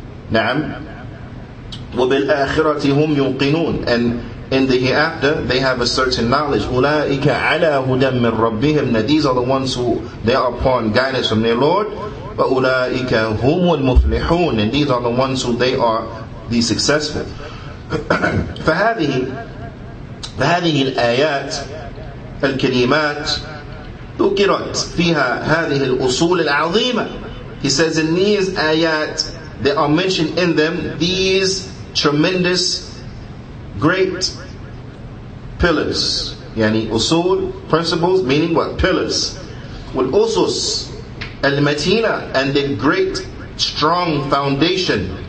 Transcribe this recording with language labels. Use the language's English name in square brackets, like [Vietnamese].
[Arabic] نعم. وَبِالْآخِرَةِ هُمْ يُنْقِنُونَ. [English] And in the hereafter, they have a certain knowledge. [Arabic] أُولَٰئِكَ عَلَىٰ هُدًى مِنْ رَبِّهِمْ. [English] Now these are the ones who they are upon guidance from their Lord. [Arabic] وَأُولَٰئِكَ هُمُ الْمُفْلِحُونَ. [English] And these are the ones who they are the successful. [Arabic] فهذه الآيات الكريمات ذكرت فيها هذه الأصول العظيمة. [English] He says in these ayat, they are mentioned in them these tremendous great pillars. [Arabic] يعني أصول, [English] principles, meaning what? Pillars. [Arabic] والأسس المتينة, [English] and the great strong foundation.